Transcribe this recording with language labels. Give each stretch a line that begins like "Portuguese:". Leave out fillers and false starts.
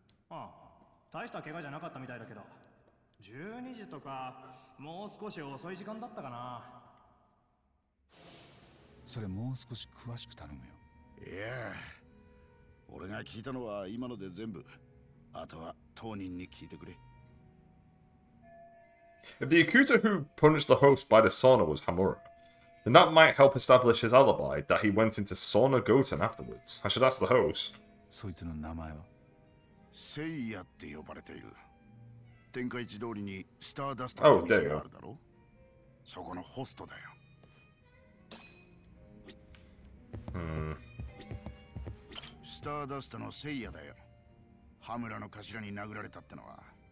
Japanese: ああ、大した怪我じゃなかったみたいだけど、12時とかもう少し遅い時間だったかな。それもう少し詳しく頼むよ。いや、俺が聞いたのは今ので全部。あとは当人に聞いてくれ。
English: If the accuser who punched the host by the sauna was Hamura, then that might help establish his alibi that he went into Sauna Goten afterwards. I should ask the host.
Japanese: そいつの名前は？セイヤって呼ばれている。天下一通りにスターダストの店があるだろう。そこのホストだよ。スターダストのセイヤだよ。ハムラの頭に殴られたってのは。